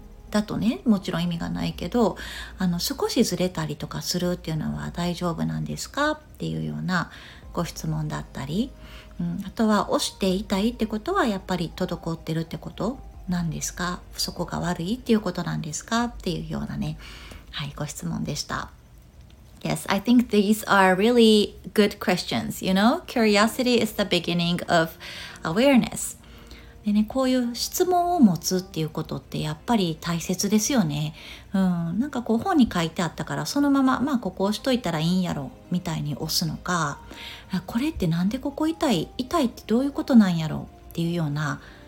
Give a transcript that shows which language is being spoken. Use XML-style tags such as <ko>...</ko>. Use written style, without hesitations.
<ja>だとね、もちろん意味がないけど、少しずれたりとかするっていうのは大丈夫なんですかっていうようなご質問だったり、あとは押して痛いってことはやっぱり滞ってるってことなんですか、そこが悪いっていうことなんですかっていうようなね、はい、ご質問でした。</ja> <en>Yes, I think these are really good questions. You know, curiosity is the beginning of awareness.</en> <ja>でね、こういう質問を持つっていうことってやっぱり大切ですよね。なんかこう本に書いてあったからそのまま、まあここ押しといたらいいんやろみたいに押すのか、これってなんでここ痛いってどういうことなんやろっていうような</ja>